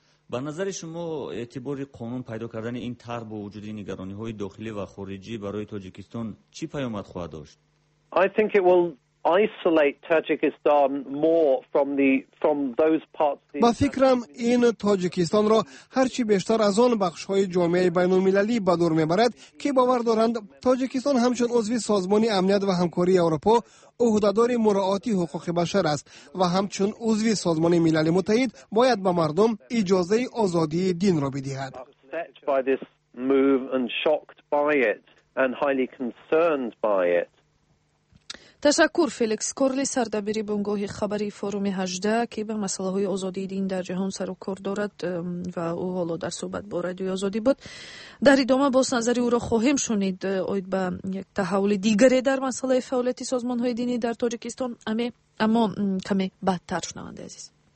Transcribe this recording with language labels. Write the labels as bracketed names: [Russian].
[Persian] به نظر شما اعتبار قانون پیدا کردن این طرح با وجود نگرانی های داخلی و خارجی برای تاجیکستان چی پیامد خواهد داشت؟ [English] I think it will isolate Tajikistan more from those parts. [Persian] با فکرم این تاجیکستان را هرچی بیشتر از آن بخش های جامعه بین المللی به دور میبرد که باور دارند تاجیکستان همچون عضو سازمان امنیت و همکاری اروپا عهده‌دار مراعات حقوق بشر است و همچون عضو سازمان ملل متحد باید به مردم اجازه آزادی دین را بدهد. [English] Upset by this move and shocked by it and highly concerned by it. [Persian] تشکر فیلیکس کورلی سردبیری بنگاه خبری فورم 18 که به مسئله های آزادی دین در جهان سر و کار دارد و او حالا در صحبت با رادیو آزادی بود. در ادامه باز نظری او را خواهیم شنید اوید به یک تحول دیگری در مسئله فعالیت سازمان های دینی در تاجیکستان، اما کمی بدتر شنونده عزیز.